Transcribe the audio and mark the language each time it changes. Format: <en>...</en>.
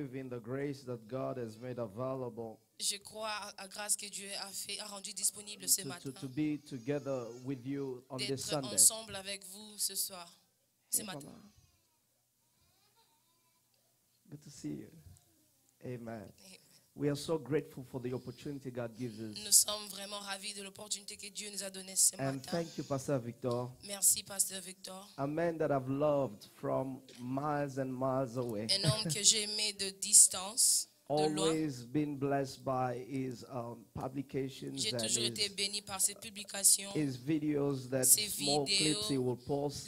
<fr>Je crois à la grâce que Dieu a rendu disponible ce matin.</fr> <en>To be together with you on this Sunday.</en> <fr>D'être ensemble avec vous ce soir, ce matin.</fr> <en>Good to see you. Amen. We are so grateful for the opportunity God gives us.</en> <fr>Nous sommes vraiment ravis de l'opportunité que Dieu nous a donnée ce matin.</fr> <en>And thank you, Pastor Victor.</en> <fr>Merci, Pasteur Victor.</fr> <en>A man that I've loved from miles and miles away.</en> <fr>Un homme que j'ai aimé de distance.</fr> <en>always been blessed by his publications.</en> <fr>J'ai toujours été béni par ses publications.</fr> <en>His videos, that small clips he will post.</en>